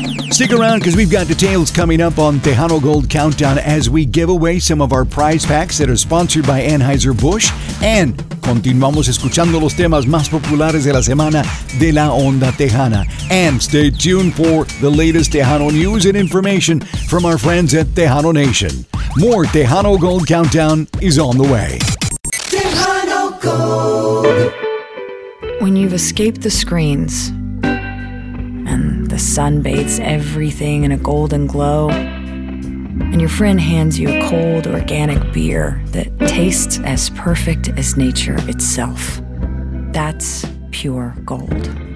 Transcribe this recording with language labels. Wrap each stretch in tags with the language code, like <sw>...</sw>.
<en>Stick around, because we've got details coming up on Tejano Gold Countdown as we give away some of our prize packs that are sponsored by Anheuser-Busch.</en> <es>And continuamos escuchando los temas más populares de la semana de La Onda Tejana.</es> <en>And stay tuned for the latest Tejano news and information from our friends at Tejano Nation. More Tejano Gold Countdown is on the way. Tejano Gold. When you've escaped the screens and the sun bathes everything in a golden glow, and your friend hands you a cold organic beer that tastes as perfect as nature itself, that's pure gold.</en>